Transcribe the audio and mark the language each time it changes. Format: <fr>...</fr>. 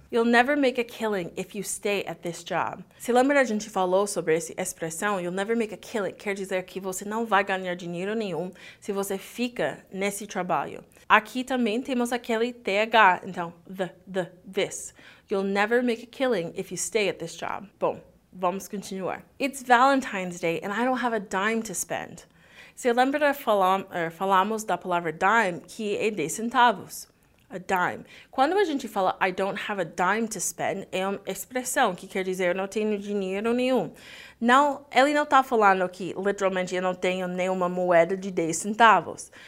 <en>You'll never make a killing if you stay at this job.</en> <pt>Se lembra, a gente falou sobre essa expressão,</pt> <en>you'll never make a killing,</en> <pt>quer dizer que você não vai ganhar dinheiro nenhum se você fica nesse trabalho. Aqui também temos aquele TH, então, this.</pt> <en>You'll never make a killing if you stay at this job.</en> <pt>Bom, vamos continuar.</pt> <en>It's Valentine's Day and I don't have a dime to spend.</en> <pt>Se lembra, falamos da palavra dime, que é de centavos.</pt> <en>A dime.</en> <pt>Quando a gente fala,</pt> <en>I don't have a dime to spend,</en> <pt>é uma expressão que quer dizer, não tenho dinheiro nenhum. Não, ele não está falando que, literalmente, eu não tenho nenhuma moeda de 10 centavos.</pt>